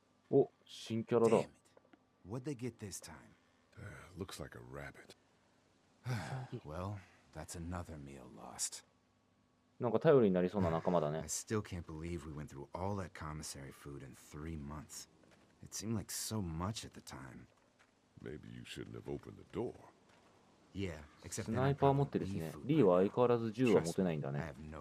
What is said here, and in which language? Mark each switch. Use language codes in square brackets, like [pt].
[ja] お、新キャラだ。 [en] What did they get this time? Looks like a rabbit. Well, that's another meal lost. [ja] なんか頼りになりそうな仲間だね。 [en] I still can't believe we went through all that commissary food in 3 months. It seemed like so much at the time. Maybe you shouldn't have opened the door. Yeah, except [ja] スナイパー持ってですね。リーは相変わらず銃は持てないんだね。